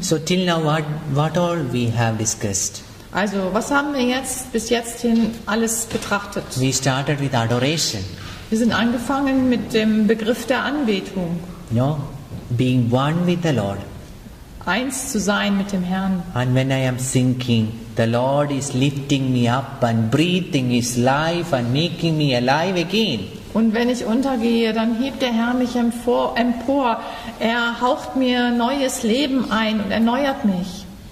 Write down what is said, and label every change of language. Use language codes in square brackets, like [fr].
[en] So till now what all we have discussed? [de] Also, was haben wir jetzt bis jetzt hin alles betrachtet? [en] We started with adoration. [de] Wir sind angefangen mit dem Begriff der Anbetung. [en] No, being one with the Lord. [de] Eins zu sein mit dem Herrn. [en] And when I am sinking, the Lord is lifting me up and breathing his life and making me alive again. [de] Und wenn ich untergehe, dann hebt der Herr mich empor. Er haucht mir neues Leben ein und erneuert mich.